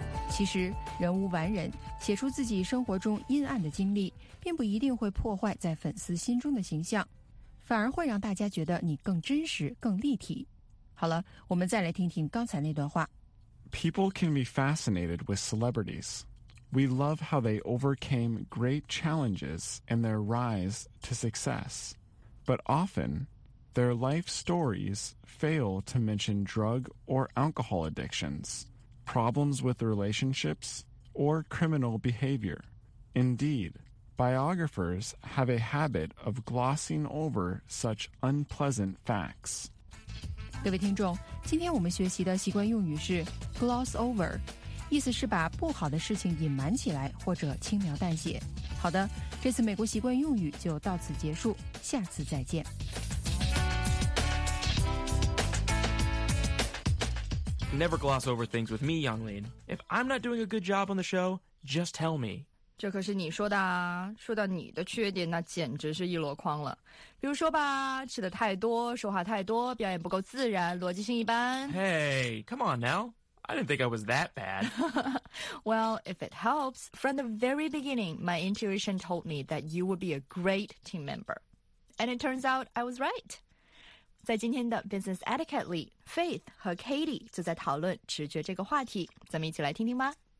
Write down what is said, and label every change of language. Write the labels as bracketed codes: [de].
[zh] 其实，人无完人，写出自己生活中阴暗的经历，并不一定会破坏在粉丝心中的形象，反而会让大家觉得你更真实、更立体。好了，我们再来听听刚才那段话。 [en] People can be fascinated with celebrities. We love how they overcame great challenges in their rise to success. But often, their life stories fail to mention drug or alcohol addictions. Problems with relationships, or criminal behavior. Indeed, biographers have a habit of glossing over such unpleasant facts. [zh] 各位听众，今天我们学习的习惯用语是 gloss over, 意思是把不好的事情隐瞒起来或者轻描淡写。好的，这次美国习惯用语就到此结束，下次再见。 [en] Never gloss over things with me, Yonglin. If I'm not doing a good job on the show, just tell me. [zh] 这可是你说的啊，说到你的缺点，那简直是一箩筐了。比如说吧，吃的太多，说话太多，表演不够自然，逻辑性一般。 [en] Hey, come on now. I didn't think I was that bad. Well, if it helps, from the very beginning, my intuition told me that you would be a great team member. And it turns out I was right. [zh] 在今天的 Business Etiquette 里 ,Faith 和 Katie 就在讨论直觉这个话题。咱们一起来听听吧。